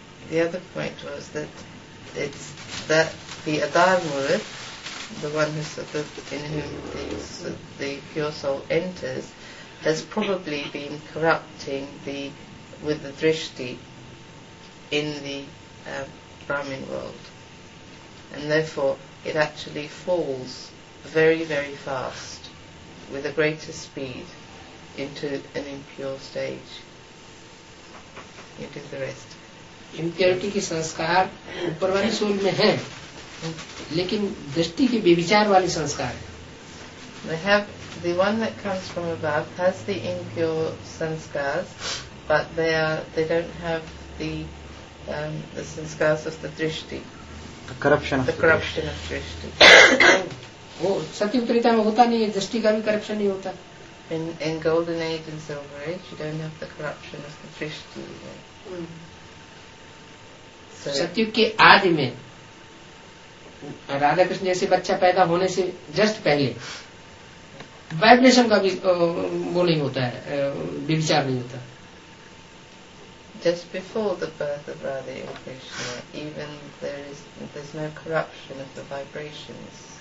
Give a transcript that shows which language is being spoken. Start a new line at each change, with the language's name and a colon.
English: The other point was that it's that the adharmur, the one in whom the pure soul enters, has probably been corrupting with the drishti in the Brahmin world. And therefore, it actually falls very, very fast, with a greater speed, into an impure stage. You did the rest.
Hindi: Impurity के संस्कार ऊपर वाली soul में हैं, लेकिन दृष्टि के व्यभिचार वाले संस्कार हैं।
English: They have the one that comes from above has the impure sanskars, but they don't have the sanskars of the drishti. The corruption of drishti.
Hindi: वो सत्युत्तरीता में होता नहीं है, दृष्टि का भी करप्शन नहीं होता।
English: In golden age and silver age, you don't have the corruption of the drishti.
Hindi: सत्युग के आदि में राधा कृष्ण जैसे बच्चा पैदा होने से जस्ट पहले वाइब्रेशन का भी वो नहीं होता है, विचार नहीं होता.
English: Just before the birth of Radha and Krishna, even there's no corruption of the vibrations.